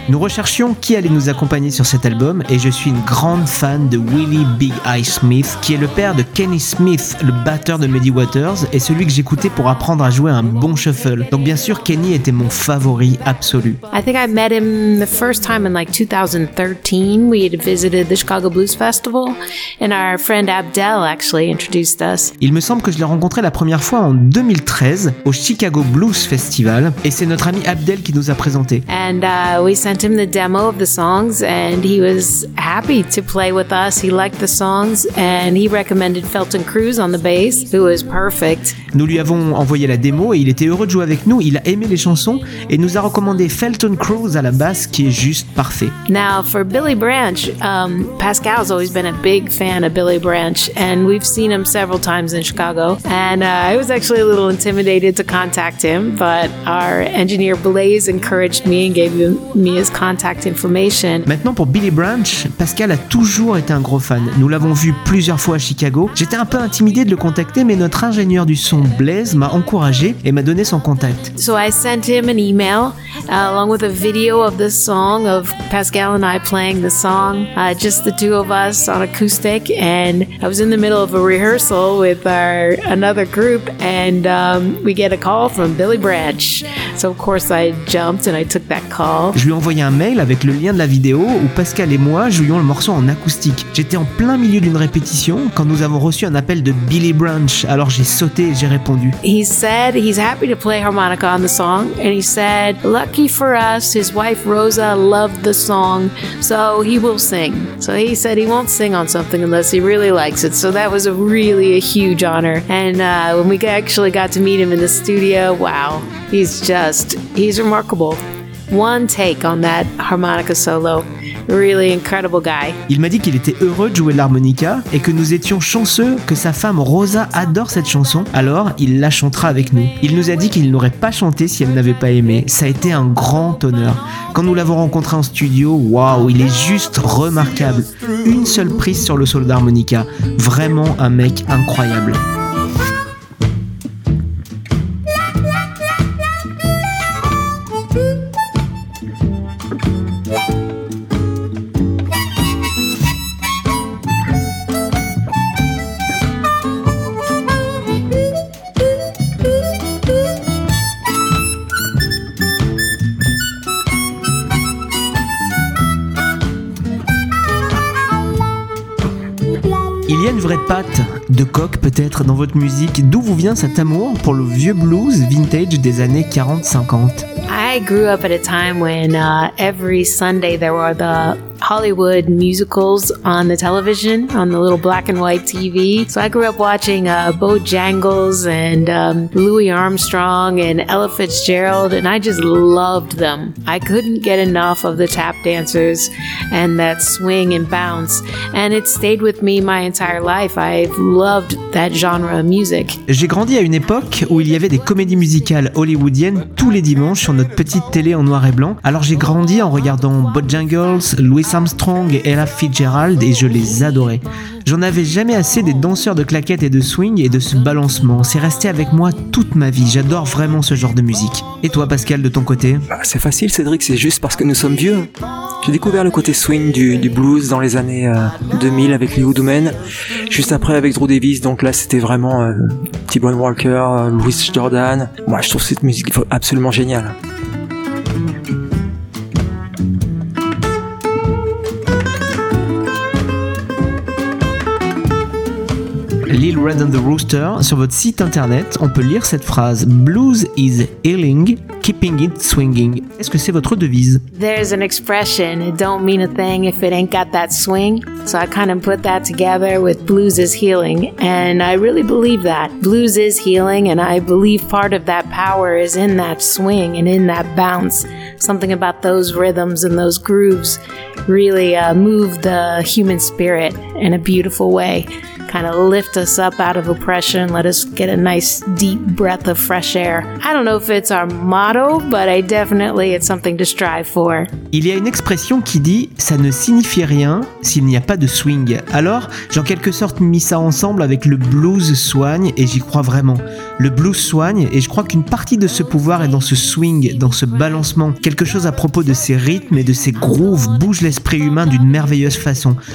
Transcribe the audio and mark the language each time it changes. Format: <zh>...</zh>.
<fr>Nous recherchions qui allait nous accompagner sur cet album et je suis une grande fan de Willie Big Eyes Smith, qui est le père de Kenny Smith, le batteur de Muddy Waters et celui que j'écoutais pour apprendre à jouer un bon shuffle. Donc bien sûr Kenny était mon favori absolu.</fr> <en>I think I met him the first time in like 2013. We had visited the Chicago Blues Festival and our friend Abdel actually introduced us.</en> <fr>Il me semble que je l'ai rencontré la première fois en 2013 au Chicago Blues Festival et c'est notre ami Abdel qui nous a présenté.</fr> <en>And we sent him the demo of the songs and he was happy to play with us. He liked the songs and he recommended Felton Cruz on the bass, who was perfect.</en> <fr>Nous lui avons envoyé la démo et il était heureux de jouer avec nous. Il a aimé les chansons et nous a recommandé Felton Cruz à la basse, qui est juste parfait.</fr> <en>Now for Billy Branch, Pascal has always been a big fan of Billy Branch. And we've seen him several times in Chicago. And I was actually a little intimidated to contact him, but our engineer Blaze encouraged me and gave me his contact information.</en> <fr>Maintenant pour Billy Branch, Pascal a toujours été un gros fan. Nous l'avons vu plusieurs fois à Chicago. J'étais un peu intimidé de le contacter, mais notre ingénieur du son Blaze m'a encouragé et m'a donné son contact.</fr> <en>So I sent him an email along with a video of the song, of Pascal and I playing the song, just the two of us on acoustic. And I was in the middle of a rehearsal with another group and we get a call from Billy Branch. So of course I jumped and I took that call.</en> <fr>Je lui ai envoyé un mail avec le lien de la vidéo où Pascal et moi jouions le morceau en acoustique. J'étais en plein milieu d'une répétition quand nous avons reçu un appel de Billy Branch. Alors j'ai sauté et j'ai répondu.</fr> <en>He said he's happy to play harmonica on the song and he said lucky for us his wife Rosa loved the song so he will sing. So he said he won't sing on something unless he really likes it, so that was a really a huge honor. And when we actually got to meet him in the studio, wow, he's remarkable. One take on that harmonica solo. Really incredible guy.</en> <fr>Il m'a dit qu'il était heureux de jouer de l'harmonica et que nous étions chanceux que sa femme Rosa adore cette chanson, alors il la chantera avec nous. Il nous a dit qu'il n'aurait pas chanté si elle n'avait pas aimé. Ça a été un grand honneur. Quand nous l'avons rencontré en studio, waouh, il est juste remarquable. Une seule prise sur le solo d'harmonica. Vraiment un mec incroyable. Patte de coq peut-être dans votre musique. D'où vous vient cet amour pour le vieux blues vintage des années 40-50? I grew up at a time when every Sunday there were the Hollywood musicals on the television, on the little black and white TV. So I grew up watching Bojangles and Louis Armstrong and Ella Fitzgerald, and I just loved them. I couldn't get enough of the tap dancers and that swing and bounce. And it stayed with me my entire life. I've loved that genre of music. J'ai grandi à une époque où il y avait des comédies musicales hollywoodiennes tous les dimanches sur notre petite télé en noir et blanc. Alors j'ai grandi en regardant Bojangles, Louis Armstrong, Ella Fitzgerald et je les adorais. J'en avais jamais assez des danseurs de claquettes et de swing et de ce balancement. C'est resté avec moi toute ma vie. J'adore vraiment ce genre de musique. Et toi, Pascal, de ton côté ? C'est facile, Cédric, c'est juste parce que nous sommes vieux. J'ai découvert le côté swing du blues dans les années 2000 avec les Voodoo Men, juste après avec Drew Davis. Donc là, c'était vraiment T-Bone Walker, Louis Jordan. Moi, je trouve cette musique absolument géniale. Lil Red and the Rooster, sur votre site internet, on peut lire cette phrase «</fr> <en>Blues is healing, keeping it swinging ».</en> <fr>Est-ce que c'est votre devise ?</fr> <en>There's an expression, it don't mean a thing if it ain't got that swing. So I kind of put that together with blues is healing. And I really believe that. Blues is healing and I believe part of that power is in that swing and in that bounce. Something about those rhythms and those grooves really move the human spirit in a beautiful way. Kind of lift us up out of oppression, let us get a nice deep breath of fresh air. I don't know if it's our motto, but I definitely it's something to strive for.</en> <fr>Il y a une expression qui dit ça ne signifie rien s'il n'y a pas de swing. Alors, j'ai en quelque sorte mis ça ensemble avec le blues soigne et j'y crois vraiment. Le blues soigne et je crois qu'une partie de ce pouvoir est dans ce swing, dans ce balancement. Quelque chose à propos de ces rythmes et de ces grooves bouge l'esprit humain d'une merveilleuse façon.</fr>